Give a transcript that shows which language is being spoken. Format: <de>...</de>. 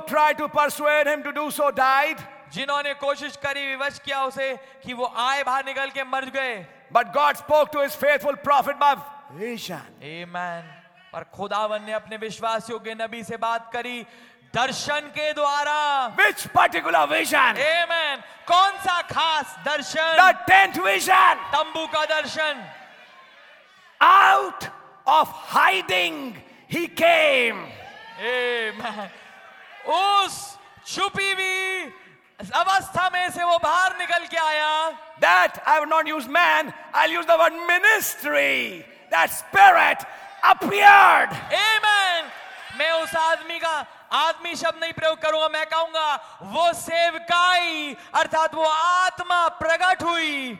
<en>tried to persuade him to do so died.</en> <hi>जिन्होंने कोशिश करी विवश किया उसे कि वो आए बाहर निकल के मर गए.</hi> <en>But God spoke to his faithful prophet by vision. Amen.</en> <hi>पर खुदावन ने अपने विश्वास योग्य नबी से बात करी दर्शन के द्वारा.</hi> <en>Which particular vision?</en> <hi>Amen. कौन सा खास दर्शन?</hi> <en>The tenth vision.</en> <hi>तंबू का दर्शन.</hi> <en>Out of hiding he came. Amen.</en> <hi>उस छुपी हुई अवस्था में से वो बाहर निकल के आया.</hi> <en>That I will not use man, I'll use the word ministry. That spirit appeared. Amen.</en> <hi>मैं उस आदमी का आदमी शब्द नहीं प्रयोग करूंगा, मैं कहूंगा वो सेवकाई अर्थात वो आत्मा प्रकट हुई.</hi>